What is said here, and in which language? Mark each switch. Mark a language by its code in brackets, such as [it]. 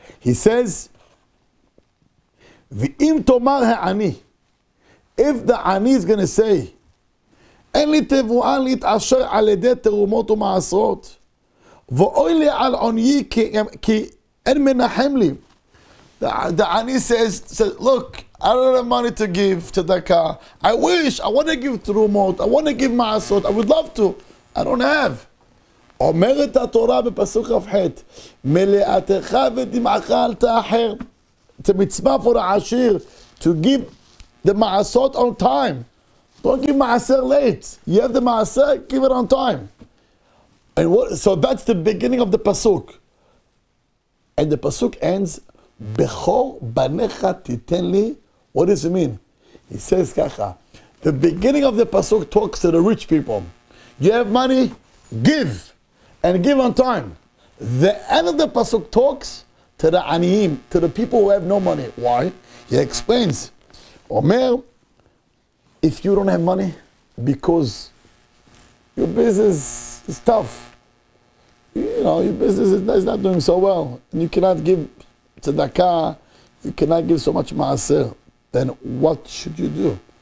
[en] He says, [he] V'im tomar ha'ani, [en] if the ani is going to say, [he] En li tevua li t'asher al ede terumot u'ma'asrot, ואוי לי על עוני כי אין מנחם לי. [en] The ani says, look, I don't have money to give tzedakah. I wish, I want to give terumot, I want to give ma'asot, I would love to. I don't have. [he] אומרת התורה בפסוק חפחת, מלאתך ודמעך אל תאחר. [en] It's a mitzvah for the עשיר, to give the מעשות on time. Don't give מעשר late. You have the מעשר, give it on time. And what, so that's the beginning of the pasuk. And the pasuk ends, [he] בכור בנך תיתן לי. [en] What does it mean? He says ככה, the beginning of the pasuk talks to the rich people. You have money? Give. And give on time. The end of the pasuk talks to the aniyim, to the people who have no money. Why? He explains, Omer, if you don't have money because your business is tough, you know, your business is not doing so well, and you cannot give tzedakah, you cannot give so much ma'aser, then what should you do?